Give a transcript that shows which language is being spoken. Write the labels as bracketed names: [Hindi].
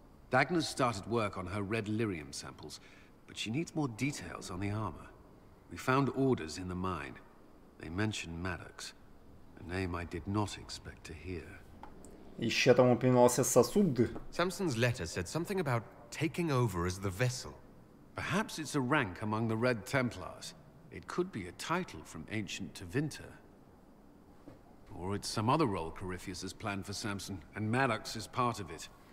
[English] Dagna started work on her red lyrium samples, but she needs more details on the armor. We found orders in the mine. They mentioned Maddox, a name I did not expect to hear. [Russian] Еще там упоминался сосуд. [English] Samson's letter said something about taking over as the vessel. Perhaps it's a rank among the Red Templars. It could be a title from ancient Tevinter. Or it's some other role Corypheus has planned for Samson, and Maddox is part of it.